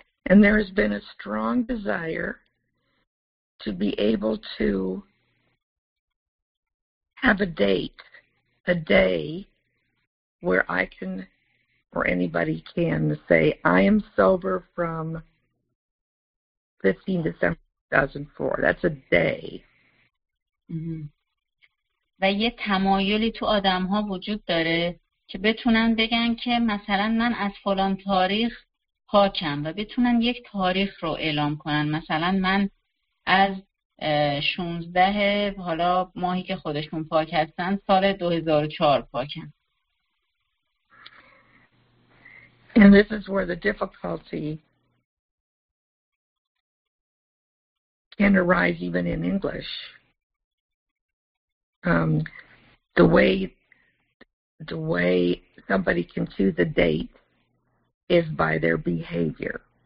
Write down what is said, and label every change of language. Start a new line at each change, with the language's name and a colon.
English: And there has been a strong desire to be able to have a date, a day where I can, or anybody can, say, I am sober from 15 December 2004. That's a day.
Persian: و یه تمایلی تو آدم ها وجود داره که بتونن بگن که مثلا من از فلان تاریخ پاکم و بتونن یک تاریخ رو اعلام کنن. مثلا من از 16 حالا ماهی که خودشون پاک هستن سال 2004 پاکن.
English: And this is where the difficulty can arise even in English. The way somebody can choose a date is by their behavior.